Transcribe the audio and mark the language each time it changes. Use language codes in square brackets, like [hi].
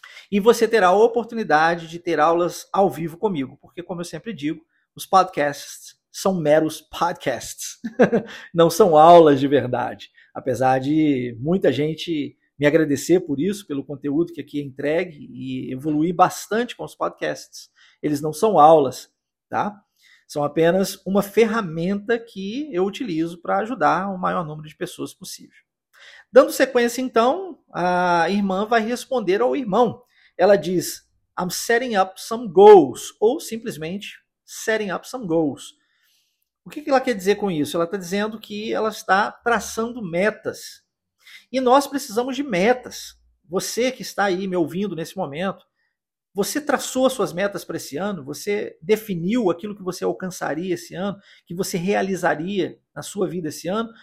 [pt] e você terá a oportunidade de ter aulas ao vivo comigo, porque como eu sempre digo, os podcasts são meros podcasts, não são aulas de verdade, apesar de muita gente me agradecer por isso, pelo conteúdo que aqui é entregue e evoluir bastante com os podcasts. Eles não são aulas, tá? São apenas uma ferramenta que eu utilizo para ajudar o maior número de pessoas possível. Dando sequência, então, a irmã vai responder ao irmão. Ela diz, [en] I'm setting up some goals, [pt] ou simplesmente, [en] setting up some goals. [pt] O que ela quer dizer com isso? Ela está dizendo que ela está traçando metas. E nós precisamos de metas. Você que está aí me ouvindo nesse momento, você traçou as suas metas para esse ano? Você definiu aquilo que você alcançaria esse ano? Que você realizaria na sua vida esse ano?